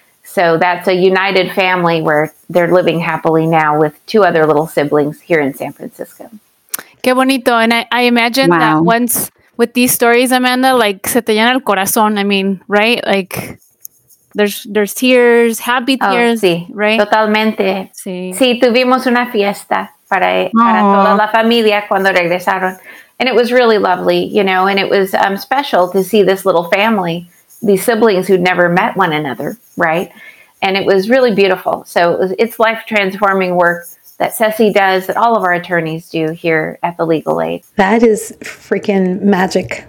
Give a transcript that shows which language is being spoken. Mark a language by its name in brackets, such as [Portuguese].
[English] So that's a united family where they're living happily now with two other little siblings here in San Francisco. [Spanish] Qué bonito. [English] And I imagine wow. that once with these stories, Amanda, like, [Spanish] se te llena el corazón. [English] I mean, right? Like, there's tears, happy tears, [Spanish] sí. [English] right? [Spanish] Totalmente. Sí. Sí, tuvimos una fiesta para toda la familia cuando regresaron. [English] And it was really lovely, you know, and it was special to see this little family, these siblings who'd never met one another, right? And it was really beautiful. So it's life-transforming work that Ceci does, that all of our attorneys do here at the Legal Aid. That is freaking magic.